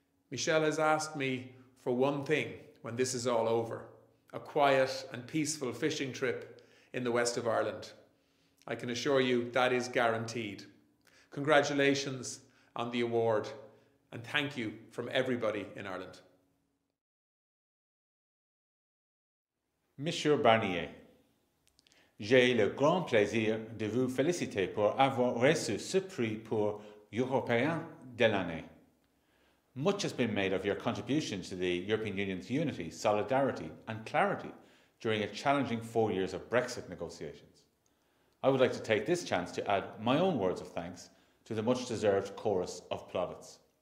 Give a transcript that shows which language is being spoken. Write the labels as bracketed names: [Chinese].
[English] Michel has asked me for one thing when this is all over: a quiet and peaceful fishing trip in the west of Ireland. I can assure you that is guaranteed. Congratulations on the award, and thank you from everybody in Ireland. [French] Monsieur Barnier, j'ai le grand plaisir de vous féliciter pour avoir reçu ce prix pour Européen de l'année. [English] Much has been made of your contribution to the European Union's unity, solidarity and clarity during a challenging 4 years of Brexit negotiations. I would like to take this chance to add my own words of thanks to the much-deserved chorus of plaudits.